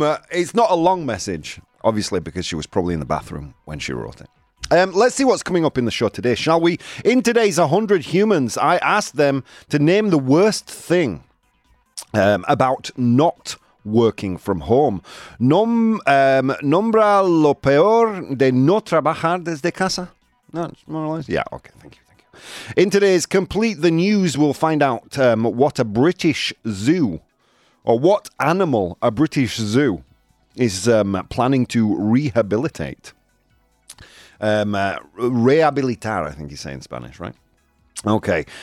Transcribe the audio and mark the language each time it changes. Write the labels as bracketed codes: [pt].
[en] it's not a long message, obviously, because she was probably in the bathroom when she wrote it. Let's see what's coming up in the show today, shall we? In today's 100 Humans, I asked them to name the worst thing about not working from home. [es] Nombra lo peor de no trabajar desde casa. [en] No, it's more or less. Yeah, okay, thank you. In today's Complete the News, we'll find out what animal a British zoo is planning to rehabilitate. Rehabilitar, I think you say in Spanish, right? Okay.